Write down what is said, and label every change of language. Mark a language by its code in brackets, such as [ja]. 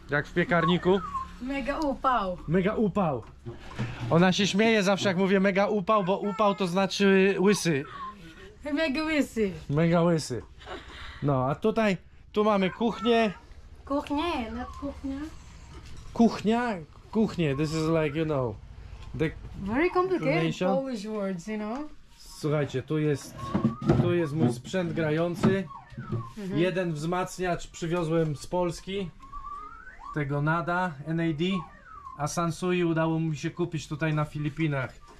[pl] Jak w piekarniku. Mega upał. Mega upał. Ona się śmieje zawsze, jak mówię mega upał, bo upał to znaczy łysy. Mega łysy. Mega łysy. No, a tutaj, tu mamy kuchnię. Kuchnię, nad kuchnią. Kuchnia? [en] Kuchnię, this is like, you know. Very complicated Polish words, you know. [pl] Słuchajcie, tu jest mój sprzęt grający. Mm-hmm. Jeden wzmacniacz przywiozłem z Polski. Tego Nada, NAD. A Sansui udało mi się kupić tutaj na Filipinach.